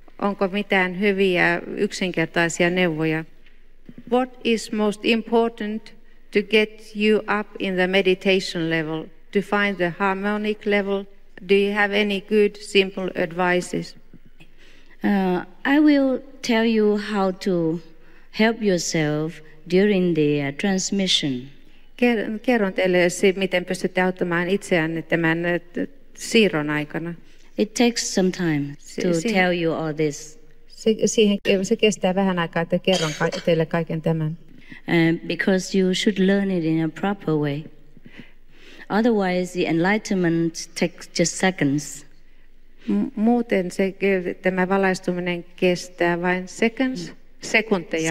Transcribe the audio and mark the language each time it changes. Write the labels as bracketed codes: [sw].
[fi] Onko mitään hyviä yksinkertaisia neuvoja? [en] What is most important to get you up in the meditation level, to find the harmonic level? Do you have any good, simple advices? I will tell you how to help yourself during the transmission. [fi] Kerron teille, miten pystytte auttamaan itseänne tämän siirron aikana. [en] It takes some time to tell you all this. [fi] Se kestää vähän aikaa, että kerron teille kaiken tämän. [en] Because you should learn it in a proper way. Otherwise, the enlightenment takes just seconds. [fi] Muuten tämä valaistuminen kestää vain [en] seconds, [fi] sekunteja.